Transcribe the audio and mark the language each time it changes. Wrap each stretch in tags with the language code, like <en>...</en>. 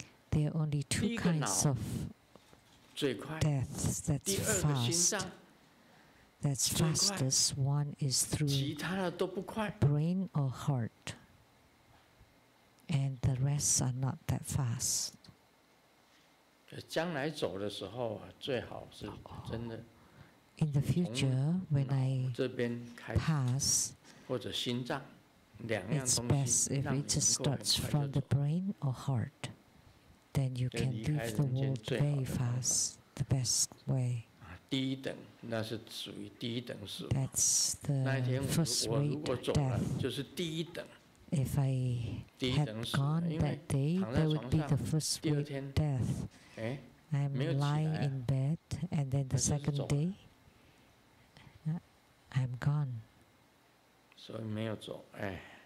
<en>There are only two kinds of deaths that's fast. That's fastest. One is through brain or heart, and the rest are not that fast.</en> <zh>将来走的时候啊, 最好是真的,</zh> <en>in the future, when I pass,</en> <zh>或者心脏, 两样东西,</zh> <en>it's best if it just starts from the brain or heart, then you can leave the world very fast, the best way.</en> <zh>第一等, 那是属于第一等死亡,</zh> <en>that's the</en> <zh>那一天我,</zh> <en>first rate of death.</en> <zh>就是第一等,</zh> <en>if I had gone that day, that would be the first rate of death. 诶, I'm lying in bed, and then the second day, I'm gone.</en> <zh>所以没有走, 诶,</zh>